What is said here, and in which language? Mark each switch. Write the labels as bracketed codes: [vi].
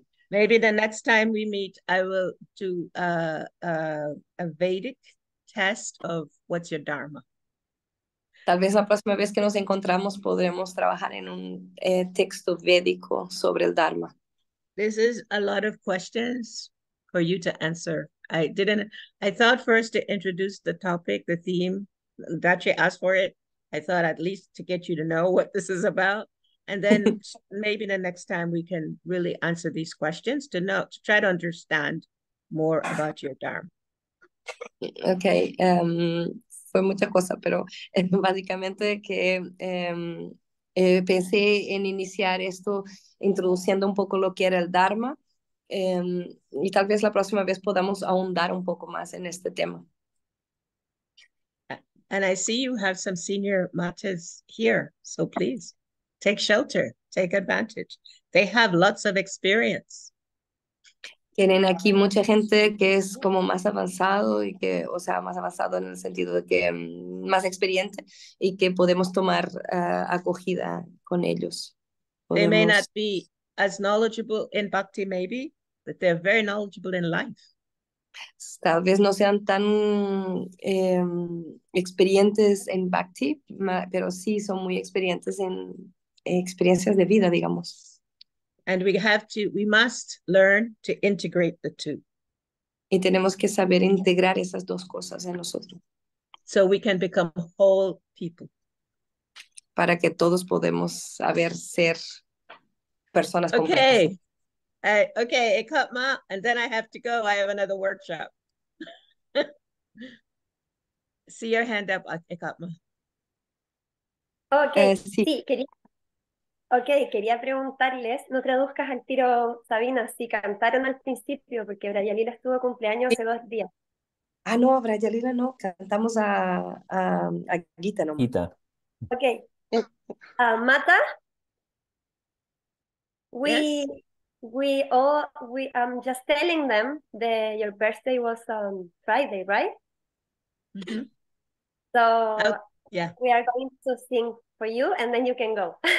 [en] Maybe the next time we meet, I will do a Vedic test of what's your dharma. [es] Tal vez la próxima vez que nos encontramos podremos trabajar en un texto védico sobre el dharma. [en] This is a lot of questions for you to answer. I thought first to introduce the topic, the theme that you asked for it. I thought at least to get you to know what this is about. And then maybe the next time we can really answer these questions to try to understand more about your dharma. Okay. [es] Fue mucha cosa, pero básicamente que pensé en iniciar esto introduciendo un poco lo que era el dharma. Y tal vez la próxima vez podamos ahondar un poco más en este tema. [en] And I see you have some senior matas here, so please take shelter, take advantage. They have lots of experience. [es] tienen aquí mucha gente que es como más avanzado y que, o sea, más avanzado en el sentido de que más experiente y que podemos tomar acogida con ellos. [en] They may not be as knowledgeable in bhakti, maybe, but they're very knowledgeable in life. [es] Tal vez no sean tan experientes en bhakti, pero sí son muy experientes en experiencias de vida, digamos. [en] And we must learn to integrate the two. [es] Y tenemos que saber integrar esas dos cosas en nosotros. [en] So we can become whole people. [es] Para que todos podemos saber ser personas completas. [en] Okay, I cut ma, and then I have to go. I have another workshop. See your hand up, I cut ma. [es] Okay, sí, quería preguntarles, no traduzcas al tiro, Sabina, si cantaron al principio, porque Vrajalila estuvo cumpleaños hace 2 días. Ah, no, Vrajalila no, cantamos a Gita, ¿no? Gita. Ok. Mata? [en] We just telling them that your birthday was on Friday, right? Mm-hmm. So, yeah. We are going to sing for you and then you can go.